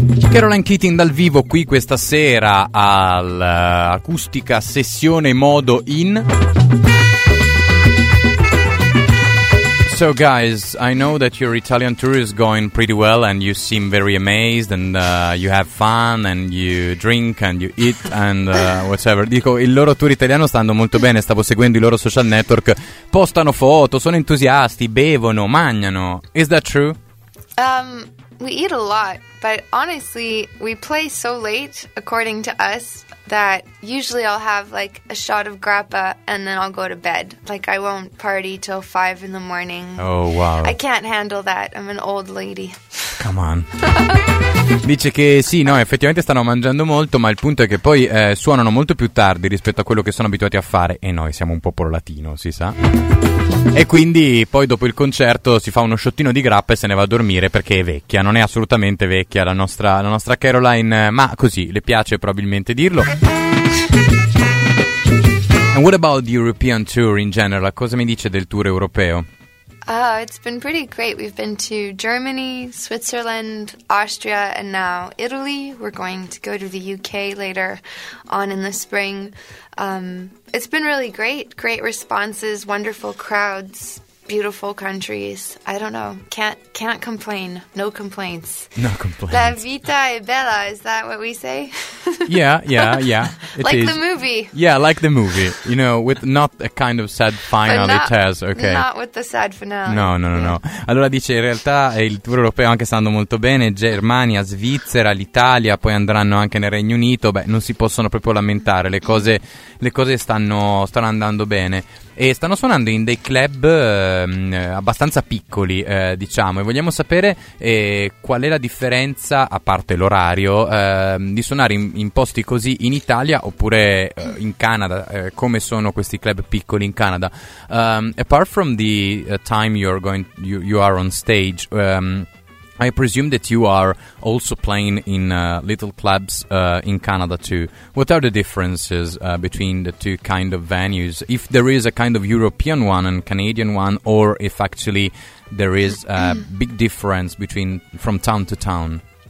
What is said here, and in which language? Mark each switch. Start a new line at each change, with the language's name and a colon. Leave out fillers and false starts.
Italian: Caroline Keating dal vivo qui questa sera all'acustica sessione modo in.
English: So guys, I know that your Italian tour is going pretty well and you seem very amazed and you have fun and you drink and you eat and whatever.
Italian: Dico, il loro tour italiano sta andando molto bene, stavo seguendo i loro social network, postano foto, sono entusiasti, bevono, mangiano.
English: Is that true? We eat a lot, but honestly, we play so late, according to us, that usually I'll have like a shot of grappa and then I'll go to bed. Like, I won't party till 5 in the morning. Oh, wow. I can't handle that. I'm an old lady. Come on.
Italian: Dice che sì, no, effettivamente stanno mangiando molto, ma il punto è che poi suonano molto più tardi rispetto a quello che sono abituati a fare. E noi siamo un popolo latino, si sa. E quindi poi dopo il concerto si fa uno sciottino di grappa e se ne va a dormire perché è vecchia. Non è assolutamente vecchia la nostra Caroline, ma così, le piace probabilmente dirlo.
English: And what about the European tour in general?
Italian: Cosa mi dice del tour europeo?
English: It's been pretty great. We've been to Germany, Switzerland, Austria, and now Italy. We're going to go to the UK later on in the spring. It's been really great. Great responses, wonderful crowds, beautiful countries. I don't know. Can't complain. No complaints. No complaints.
Italian: La vita è bella.
English: Is that what we say? Yeah. Like the movie. Yeah, like the movie. You know, with not a kind of sad finale. But not, it has, okay. Not with the sad finale. No.
Italian: Allora dice, in realtà il tour europeo anche sta andando molto bene. Germania, Svizzera, l'Italia, poi andranno anche nel Regno Unito. Beh, non si possono proprio lamentare. Le cose stanno andando bene. E stanno suonando in dei club abbastanza piccoli, diciamo, e vogliamo sapere qual è la differenza, a parte l'orario, di suonare in posti così in Italia oppure in Canada, come sono questi club piccoli in Canada.
English: Apart from the time you are on stage, I presume that you are also playing in little clubs in Canada too. What are the differences between the two kind of venues? If there is a kind of European one and Canadian one, or if actually there is a big difference between from town to town?